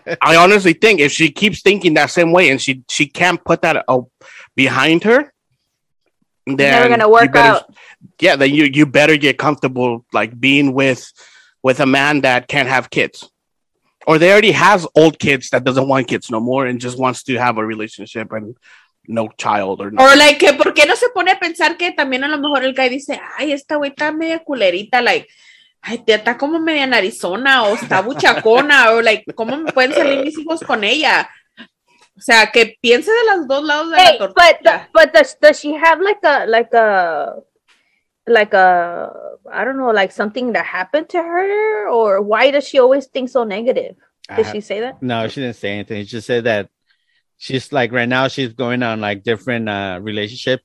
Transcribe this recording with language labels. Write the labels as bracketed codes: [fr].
[en] I honestly think if she keeps thinking that same way and she can't put that behind her, then never gonna work out. Yeah, then you better get comfortable like being with a man that can't have kids. Or they already has old kids that doesn't want kids no more and just wants to have a relationship and no child or no. [es] Or like, que por qué no se pone a pensar que también a lo mejor el guy dice, ay, esta güey está media culerita, like, ay, tía, está como media narizona o está buchacona, o like, ¿cómo me pueden salir mis hijos con ella? O sea, que piense de los dos lados de la tortilla. [en] Does she have like a, I don't know, like something that happened to her, or why does she always think so negative? Did she say that? No, she didn't say anything. She just said that she's like, right now she's going on like different relationship.